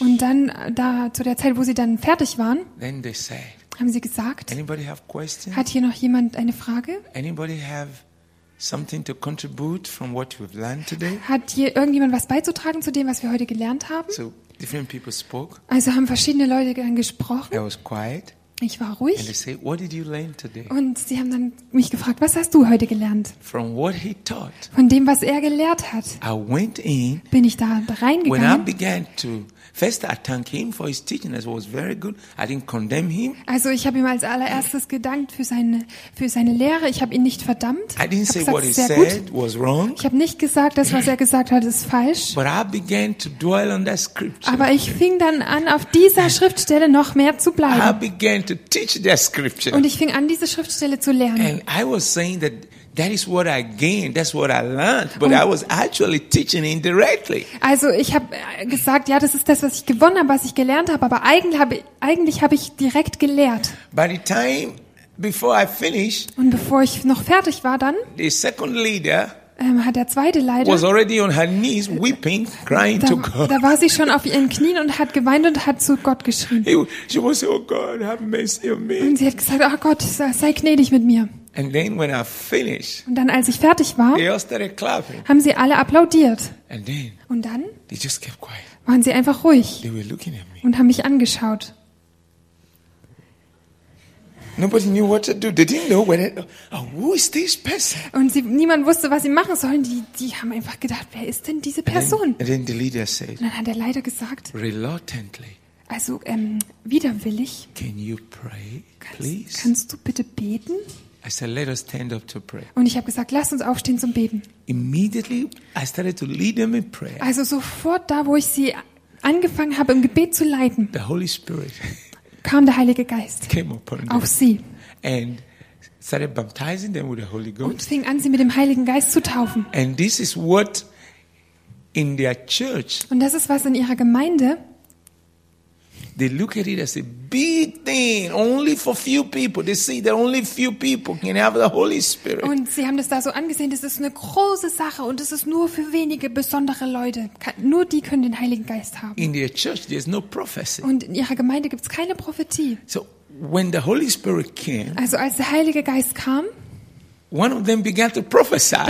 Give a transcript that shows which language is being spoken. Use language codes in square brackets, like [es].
[de] und dann da zu der Zeit, wo sie dann fertig waren, [en] then they say, [de] haben sie gesagt, [en] anybody have questions? [de] Hat hier noch jemand eine Frage? [en] Anybody have something to contribute from what we've learned today? [de] Hat hier irgendjemand was beizutragen zu dem, was wir heute gelernt haben? [en] So different people spoke. [de] Also haben verschiedene Leute dann gesprochen. [en] I was quiet. [de] Ich war ruhig. [en] And they say, what did you learn today? [de] Und sie haben dann mich gefragt, was hast du heute gelernt? [en] From what he taught, [de] von dem, was er gelehrt hat. [en] I went in, [de] bin ich da reingegangen. [en] When I began to, first I thanked him for his teaching, it was very good. I didn't condemn him. [de] Also ich habe ihm als allererstes gedankt für seine Lehre. Ich habe ihn nicht verdammt. [en] I didn't say what he said was wrong. [de] Ich habe nicht gesagt, dass was er gesagt hat ist falsch. [en] But I began to dwell on that scripture. [de] Aber ich fing dann an, auf dieser Schriftstelle noch mehr zu bleiben. [en] I began to teach that scripture. [de] Und ich fing an, diese Schriftstelle zu lernen. [en] And I was saying that. That is what I gained. That's what I learned. But I was actually teaching indirectly. [de] Also, ich habe gesagt, ja, das ist das, was ich gewonnen habe, was ich gelernt habe. Aber eigentlich habe ich direkt gelehrt. [en] By the time before I finished. [de] Und bevor ich noch fertig war, dann. [en] The second leader. [de] Hat der zweite Leiter. [en] Was already on her knees, weeping, crying to God. [de] Da war sie schon auf ihren Knien und hat geweint und hat zu Gott geschrien. [en] She was saying, "Oh God, have mercy on me." [de] Und sie hat gesagt, oh Gott, sei gnädig mit mir. [en] And then when I finished, [de] und dann, als ich fertig war, [en] they all started clapping. [de] Haben sie alle applaudiert. [en] And then, [de] und dann [en] they just kept quiet. [de] Waren sie einfach ruhig [en] they were looking at me. [de] Und haben mich angeschaut. [en] Nobody knew what to do. They didn't know where who is this person? [de] Und sie, niemand wusste, was sie machen sollen. Die haben einfach gedacht, wer ist denn diese Person? [en] And then the leader said, [de] und dann hat der Leiter gesagt, [en] reluctantly, [de] also widerwillig, [en] can you pray, please? [de] Kannst du bitte beten? [en] I said, let us stand up to pray. [de] Und ich habe gesagt, lass uns aufstehen zum Beten. [en] Immediately, I started to lead them in prayer. [de] Also sofort da, wo ich sie angefangen habe, im Gebet zu leiten, [en] the Holy Spirit [de] kam der Heilige Geist auf sie [en] and started baptizing them with the Holy Ghost. [de] Und fing an, sie mit dem Heiligen Geist zu taufen. [en] And this is what in their church, [de] und das ist, was in ihrer Gemeinde, [en] they look at it as a big thing, only for few people. They see that only few people can have the Holy Spirit. [de] Und sie haben das da so angesehen, das ist eine große Sache und es ist nur für wenige besondere Leute. Nur die können den Heiligen Geist haben. [en] In their church there's no prophecy. [de] Und in ihrer Gemeinde gibt's keine Prophetie. [en] So when the Holy Spirit came, [de] also als der Heilige Geist kam, [en] one of them began to prophesy.